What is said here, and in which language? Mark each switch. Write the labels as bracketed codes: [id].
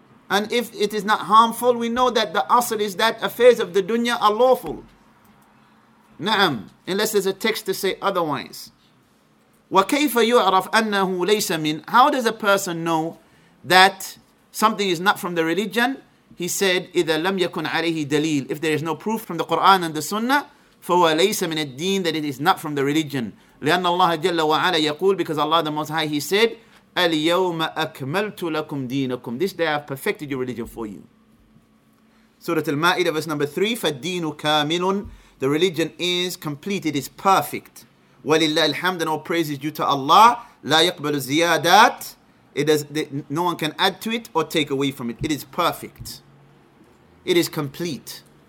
[en] And if it is not harmful, we know that the asr is that affairs of the dunya are lawful. Naam, unless there's a text to say otherwise. [ar] وَكَيْفَ يُعْرَفْ أَنَّهُ لَيْسَ مِنْ. [en] How does a person know that something is not from the religion? He said, [ar] إِذَا لَمْ يَكُنْ عَلَيْهِ دَلِيلٌ. [en] If there is no proof from the Qur'an and the Sunnah, [ar] فَهُوَ لَيْسَ مِنَ الدِّينِ, [en] that it is not from the religion. [ar] لِأَنَّ اللَّهَ جَلَّ وَعَلَى يَقُولُ, [en] because Allah the Most High, He said, [ar] الْيَوْمَ أَكْمَلْتُ لَكُمْ دِينَكُمْ. [en] This day I have perfected your religion for you. Surah Al-Ma'idah, verse number 3, [ar] فَالدِّينُ كَامِلٌ. [en] The religion is complete, it is perfect. [ar] وَلِلَّهِ الْحَمْدُ, [en] and all praise is due to Allah. [ar] لَا يَقْبَلُ الزِّيَادَاتِ. [en] No one can add to it or take away from it. It is perfect. It is complete.